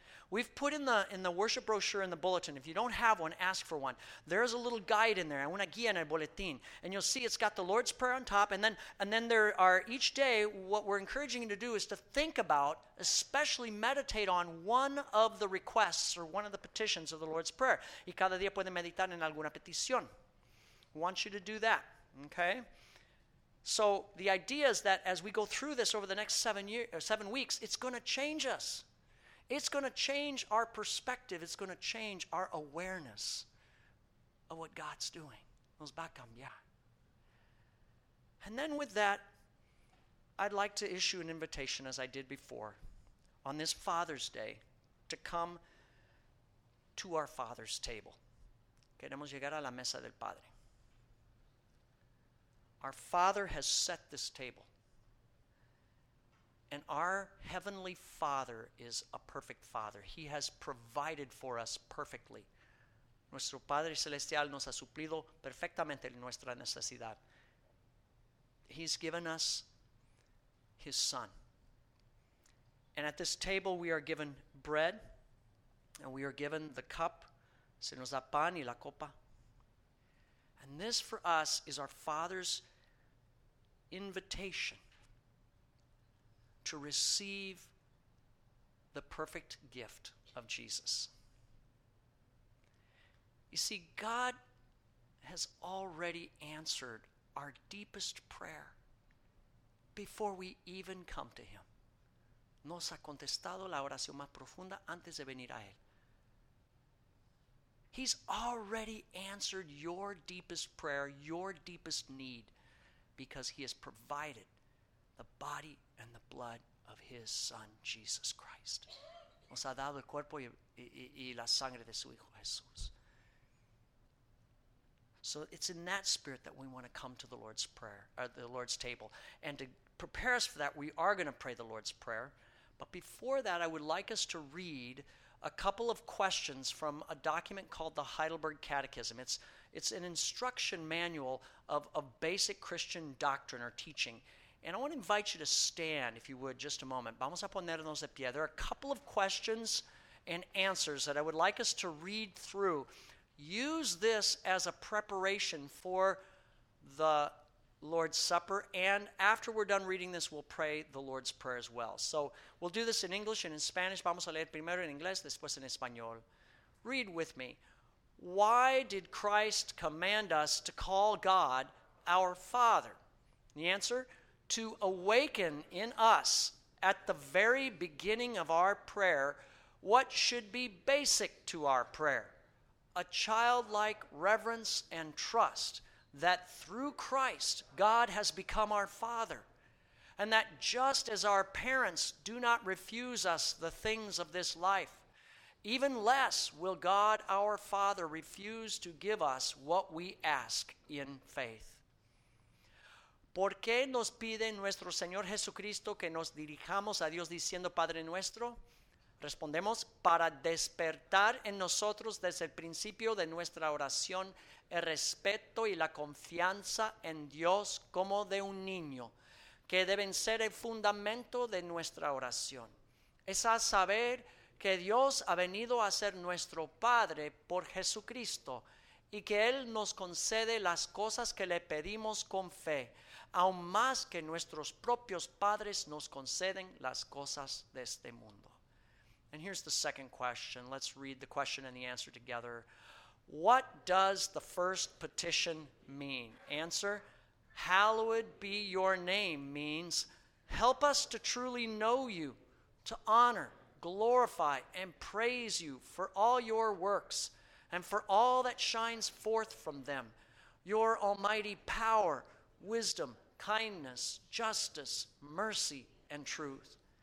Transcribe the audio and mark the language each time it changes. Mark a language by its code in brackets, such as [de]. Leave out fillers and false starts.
[en] We've put in the worship brochure in the bulletin. If you don't have one, ask for one. There's a little guide in there, [es] una guía en el boletín. [en] And you'll see it's got the Lord's Prayer on top. And then there are, each day, what we're encouraging you to do is to think about, especially meditate on, one of the requests or one of the petitions of the Lord's Prayer. [es] Y cada día puede meditar en alguna petición. [en] I want you to do that, okay? So the idea is that as we go through this over the next 7 weeks, it's going to change us. It's going to change our perspective. It's going to change our awareness of what God's doing. [es] Nos va a cambiar. [en] And then with that, I'd like to issue an invitation, as I did before, on this Father's Day, to come to our Father's table. [es] Queremos llegar a la mesa del Padre. [en] Our Father has set this table. And our Heavenly Father is a perfect Father. He has provided for us perfectly. [es] Nuestro Padre Celestial nos ha suplido perfectamente nuestra necesidad. [en] He's given us His Son. And at this table we are given bread, and we are given the cup. [es] Se nos da pan y la copa. [en] And this for us is our Father's invitation to receive the perfect gift of Jesus. You see, God has already answered our deepest prayer before we even come to Him. [es] Nos ha contestado la oración más profunda antes de venir a Él. [en] He's already answered your deepest prayer, your deepest need, because He has provided the body and the blood of His Son, Jesus Christ. [es] Nos ha dado el cuerpo y la sangre de su Hijo Jesús. [en] So it's in that spirit that we want to come to the Lord's prayer, or the Lord's table. And to prepare us for that, we are going to pray the Lord's Prayer. But before that, I would like us to read a couple of questions from a document called the Heidelberg Catechism. It's an instruction manual of basic Christian doctrine or teaching. And I want to invite you to stand, if you would, just a moment. [es] Vamos a ponernos de pie. [en] There are a couple of questions and answers that I would like us to read through. Use this as a preparation for the Lord's Supper, and after we're done reading this, we'll pray the Lord's Prayer as well. So we'll do this in English and in Spanish. [es] Vamos a leer primero en inglés, después en español. [en] Read with me. Why did Christ command us to call God our Father? The answer, to awaken in us at the very beginning of our prayer what should be basic to our prayer, a childlike reverence and trust that through Christ, God has become our Father, and that just as our parents do not refuse us the things of this life, even less will God our Father refuse to give us what we ask in faith. [es] ¿Por qué nos pide nuestro Señor Jesucristo que nos dirijamos a Dios diciendo Padre nuestro? Respondemos, para despertar en nosotros desde el principio de nuestra oración el respeto y la confianza en Dios como de un niño, que deben ser el fundamento de nuestra oración. Es a saber que Dios ha venido a ser nuestro Padre por Jesucristo y que Él nos concede las cosas que le pedimos con fe, aun más que nuestros propios padres nos conceden las cosas de este mundo. [en] And here's the second question. Let's read the question and the answer together. What does the first petition mean? Answer, hallowed be your name means help us to truly know you, to honor, glorify, and praise you for all your works and for all that shines forth from them, your almighty power, wisdom, kindness, justice, mercy, and truth.